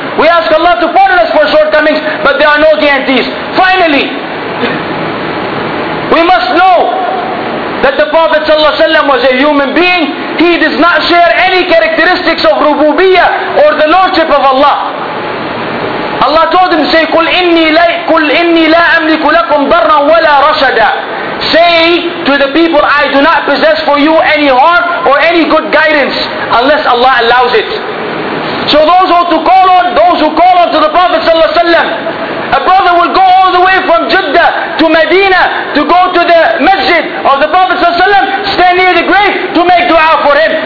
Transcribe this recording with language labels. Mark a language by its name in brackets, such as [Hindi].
[English] We ask Allah to pardon us for shortcomings, but there are no guarantees. Finally, we must know that the Prophet ﷺ was a human being. He does not share any characteristics of rububiyyah or the lordship of Allah. Allah told him, say, [Arabic] قُلْ إِنِّي لَا أَمْلِكُ لَكُمْ ضَرًّا وَلَا رَشَدًا. [English] Say to the people, I do not possess for you any harm or any good guidance unless Allah allows it. So those who call on to the Prophet ﷺ, a brother will go all the way from Jeddah to Medina to go to the masjid of the Prophet ﷺ, stand near the grave to make dua for him.